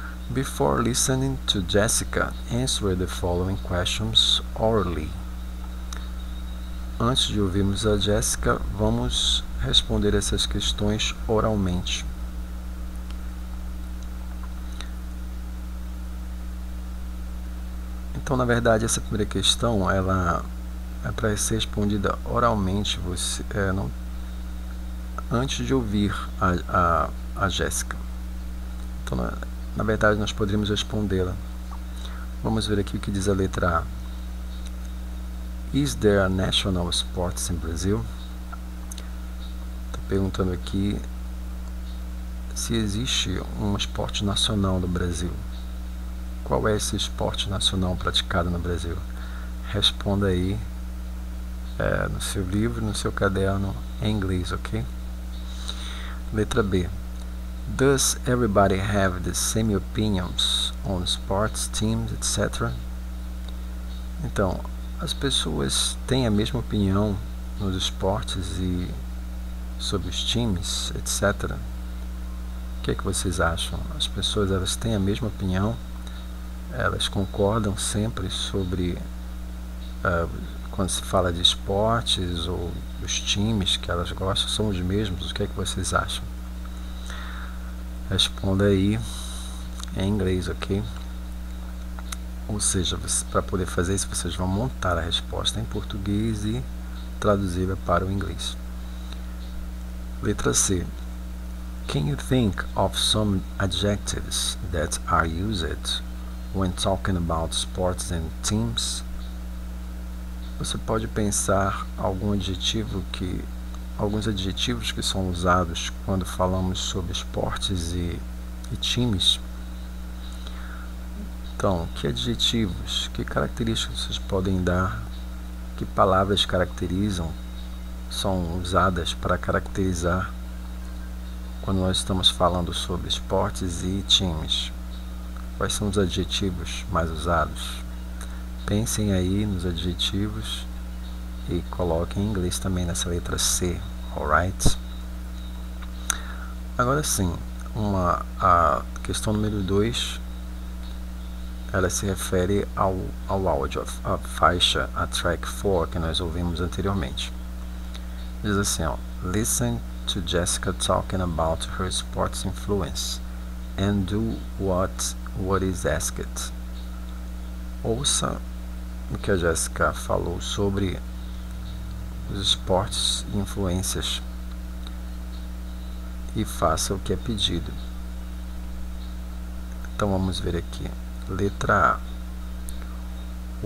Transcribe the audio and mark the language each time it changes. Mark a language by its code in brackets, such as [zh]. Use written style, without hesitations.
[en] Before listening to Jéssica, answer the following questions orally. [pt] Antes de ouvirmos a Jéssica, vamos responder essas questões oralmente. Então, na verdade, essa primeira questão, ela é para ser respondida oralmente, antes de ouvir a Jéssica. Então, na verdade, nós poderíamos respondê-la. Vamos ver aqui o que diz a letra A. [en] Is there a national sports in Brazil? [pt] Estou perguntando aqui se existe um esporte nacional no Brasil. Qual é esse esporte nacional praticado no Brasil? Responda aí no seu livro, no seu caderno, em inglês, ok? Letra B. [en] Does everybody have the same opinions on sports, teams, etc.? [pt] Então, as pessoas têm a mesma opinião nos esportes e sobre os times, etc.? O que é que vocês acham? As pessoas, elas têm a mesma opinião? Elas concordam sempre sobre quando se fala de esportes ou os times que elas gostam, são os mesmos? O que é que vocês acham? Responda aí em inglês, ok? Ou seja, para poder fazer isso, vocês vão montar a resposta em português e traduzi-la para o inglês. Letra C. [en] Can you think of some adjectives that are used when talking about sports and teams? [pt] Você pode pensar alguns adjetivos que são usados quando falamos sobre esportes e times? Então, que adjetivos, que características vocês podem dar? Que palavras caracterizam, são usadas para caracterizar quando nós estamos falando sobre esportes e times? Quais são os adjetivos mais usados? Pensem aí nos adjetivos e coloquem em inglês também nessa letra C, alright? Agora sim, a questão número 2, ela se refere ao áudio, a faixa, a track 4 que nós ouvimos anteriormente. Diz assim, ó, [en] listen to Jéssica talking about her sports influence and do what is asked. [pt] Ouça o que a Jéssica falou sobre os esportes e influências e faça o que é pedido. Então vamos ver aqui. Letra A.